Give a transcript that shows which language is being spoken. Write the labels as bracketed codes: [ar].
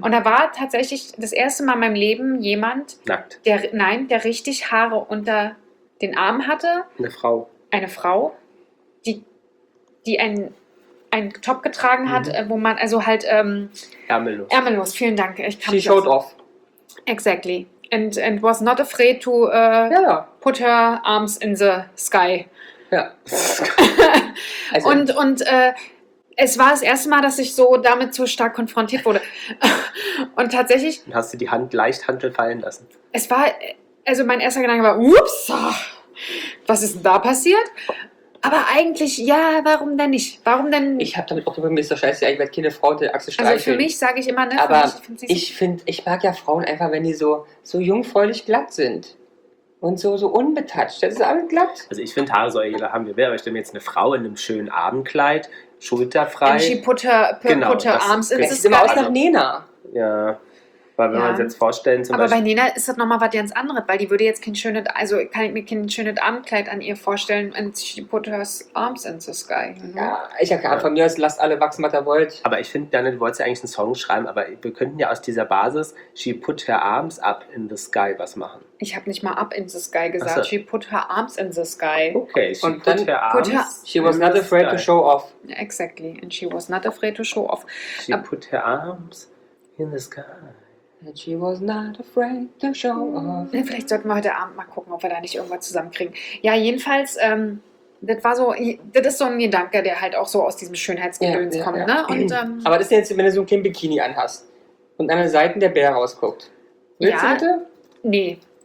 [de] Und da war tatsächlich das erste Mal in meinem Leben jemand, nackt. Der richtig Haare unter den Armen hatte. Eine Frau. Eine Frau, die einen Top getragen hat, wo man, also halt... Ärmellos. Ärmellos, vielen Dank. Ich kann [en] She showed off. Exactly. And was not afraid to put her arms in the sky. [de] Ja. Also. Und es war das erste Mal, dass ich so damit so stark konfrontiert wurde. Und tatsächlich... Und hast du die Hand leicht Hantel fallen lassen? Es war... Also mein erster Gedanke war, ups, was ist denn da passiert? Aber eigentlich, ja, warum denn nicht? Warum denn... Ich habe damit auch über Mr. Scheiße, ich werde keine Frau, der Achsel streicheln. Also für mich sage ich immer, ne? Aber ich mag ja Frauen einfach, wenn die so jungfräulich glatt sind. Und so unbetouched. Das ist alles glatt. Also ich finde, Haare soll jeder haben. Wir wäre, aber ich stelle mir jetzt eine Frau in einem schönen Abendkleid, schulterfrei. [en] And she put her arms in the sky. [de] Sieht immer aus nach Nena. Ja. Weil wenn wir uns jetzt vorstellen, zum Beispiel... Aber bei Nena ist das nochmal was ganz anderes, weil die würde jetzt kein schönes, also kann ich mir kein schönes Abendkleid an ihr vorstellen, wenn sie [en] put her arms in the sky. [de] Mhm. Ja, ich habe keine Ahnung, von mir aus, lasst alle wachsen, was ihr wollt. Aber ich finde, Daniel, du wolltest ja eigentlich einen Song schreiben, aber wir könnten ja aus dieser Basis [en] she put her arms up in the sky [de] was machen. Ich habe nicht mal [en] up in the sky [de] gesagt, so. [en] She put her arms in the sky. [de] Okay, [en] she und put dann her arms put her, she was not afraid to show off. Exactly, and she was not afraid to show off. She put her arms in the sky. And she was not afraid to show off. [de] Ja, vielleicht sollten wir heute Abend mal gucken, ob wir da nicht irgendwas zusammenkriegen. Ja, jedenfalls, das war so, das ist so ein Gedanke, der halt auch so aus diesem Schönheitsgedöns kommt. Ja. Ne? Und, Aber das ist jetzt, wenn du so ein kleines Bikini anhast und an der Seite der Bär rausguckt. Willst du bitte? Nee.